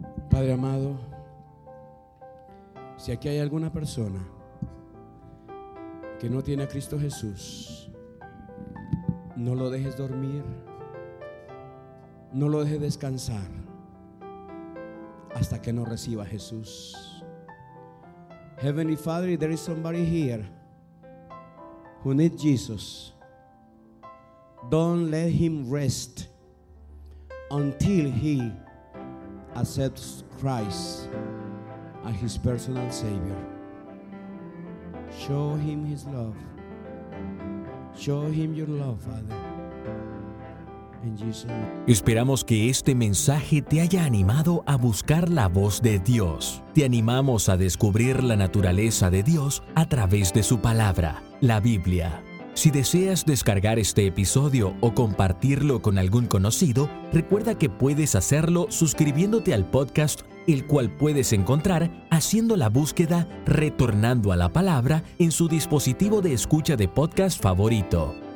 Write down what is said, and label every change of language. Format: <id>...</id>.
<es>Padre amado, si aquí hay alguna persona que no tiene a Cristo Jesús, no lo dejes dormir, no lo dejes descansar hasta que no reciba a Jesús.</es> <en>Heavenly Father, if there is somebody here who needs Jesus, don't let him rest until he accepts Christ as his personal Savior. Show him his love. Show him your love, Father.</en> <es>Esperamos que este mensaje te haya animado a buscar la voz de Dios. Te animamos a descubrir la naturaleza de Dios a través de su palabra, la Biblia. Si deseas descargar este episodio o compartirlo con algún conocido, recuerda que puedes hacerlo suscribiéndote al podcast, el cual puedes encontrar haciendo la búsqueda Retornando a la Palabra en su dispositivo de escucha de podcast favorito.</es>